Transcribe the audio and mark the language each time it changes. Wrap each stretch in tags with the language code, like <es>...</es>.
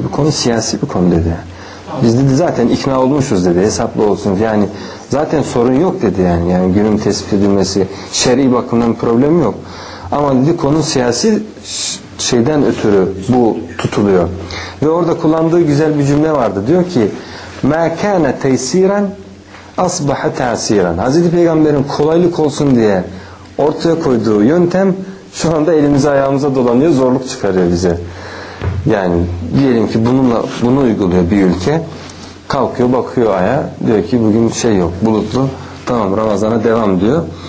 <tr>Bu konu siyasi bir konu dedi. Biz dedi zaten ikna olmuşuz dedi. Hesaplı olsun yani zaten sorun yok dedi yani. Yani günün tespit edilmesi şer'i bakımdan problem yok. Ama dedi konu siyasi şeyden ötürü bu tutuluyor. Ve orada kullandığı güzel bir cümle vardı. Diyor ki</tr> <ar>مَا كَانَ تَيْسِيرًا أَصْبَحَ تَعْسِيرًا.</ar> <tr>Hazreti Peygamber'in kolaylık olsun diye ortaya koyduğu yöntem şu anda elimize ayağımıza dolanıyor, zorluk çıkarıyor bize. Yani diyelim ki bununla bunu uyguluyor bir ülke. Kalkıyor, bakıyor aya. Diyor ki bugün şey yok, bulutlu. Tamam, Ramazan'a devam diyor.</tr>